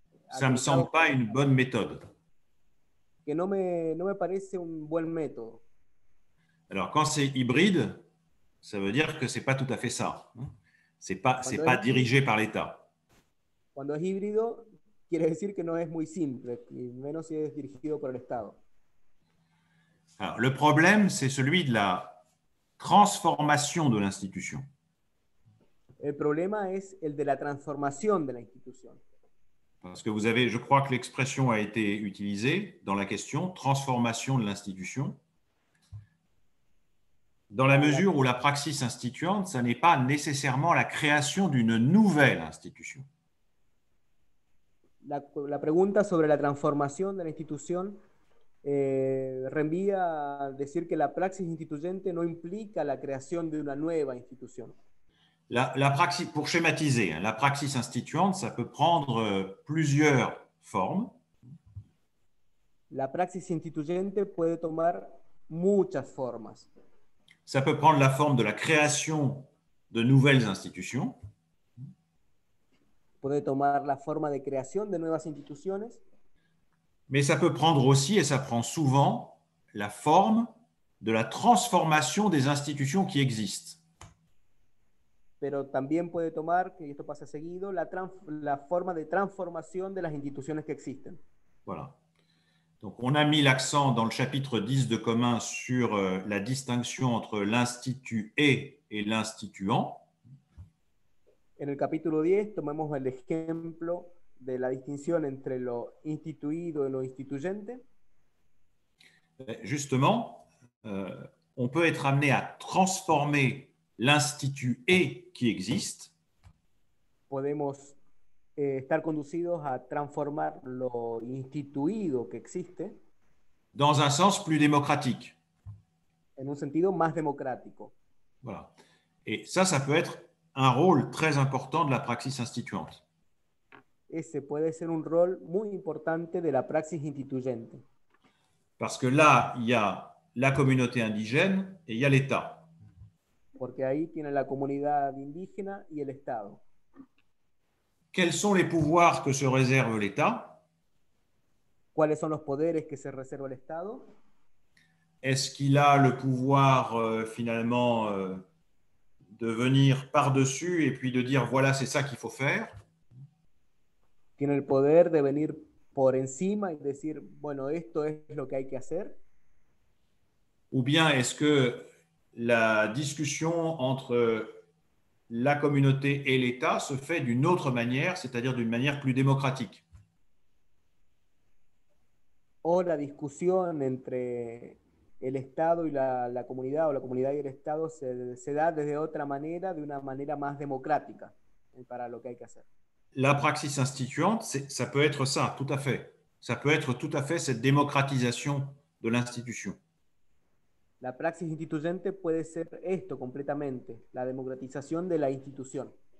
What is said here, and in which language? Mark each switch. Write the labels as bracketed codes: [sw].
[fr] Ça me semble pas une bonne méthode. [es] Que no me parece un buen método. [fr] Alors, quand c'est hybride, ça veut dire que c'est pas tout à fait ça. C'est pas dirigé par l'État. [es] Cuando es híbrido, quiere decir que no es muy simple, y menos si es dirigido por el Estado. [fr] Alors, le problème, c'est celui de la transformation de l'institution. [es] El problema es el de la transformación de la institución. [fr] Parce que vous avez, je crois que l'expression a été utilisée dans la question, transformation de l'institution. Dans la mesure où la praxis instituante, ça n'est pas nécessairement la création d'une nouvelle institution. [es] La pregunta sobre la transformación de la institución reenvía a decir que la praxis instituyente no implica la creación de una nueva institución. [fr] La praxis, pour schématiser, la praxis instituante, ça peut prendre plusieurs formes. [es] La praxis instituyente puede tomar muchas formas. [fr] Ça peut prendre la forme de la création de nouvelles institutions. [es] Puede tomar la forma de creación de nuevas instituciones. [fr] Mais ça peut prendre aussi, et ça prend souvent, la forme de la transformation des institutions qui existent. [es] Pero también puede tomar, que esto pasa seguido, la forma de transformación de las instituciones que existen. [fr] Voilà. Donc on a mis l'accent dans le chapitre 10 de commun sur la distinction entre l'institué et l'instituant. [es] En el capítulo 10 tomamos el ejemplo de la distinción entre lo instituido y lo instituyente. [fr] Justement, on peut être amené à transformer l'institué qui existe. [es] Podemos estar conducidos a transformar lo instituido que existe. [fr] Dans un sens plus démocratique. [es] En un sentido más democrático. [fr] Voilà. Et ça peut être un rôle très important de la praxis instituante. [es] Ese puede ser un rol muy importante de la praxis instituyente. [fr] Parce que là, il y a la communauté indigène et il y a l'État. [es] Porque ahí tiene la comunidad indígena y el Estado. [fr] Quels sont les pouvoirs que se réserve l'État? [es] ¿Cuáles son los poderes que se reserva el Estado? [fr] Est-ce qu'il a le pouvoir finalement de venir par-dessus et puis de dire voilà, c'est ça qu'il faut faire? [es] Tiene el poder de venir por encima y decir, bueno, esto es lo que hay que hacer. [fr] Ou bien est-ce que la discussion entre la communauté et l'État se fait d'une autre manière, c'est-à-dire d'une manière plus démocratique? [es] O la discusión entre el Estado y la comunidad, o la comunidad y el Estado, se da desde otra manera, de una manera más democrática para lo que hay que hacer. [fr] La praxis instituante, ça peut être ça, tout à fait. Ça peut être tout à fait cette démocratisation de l'institution. [es] La praxis instituyente puede ser esto completamente, la democratización de la institución.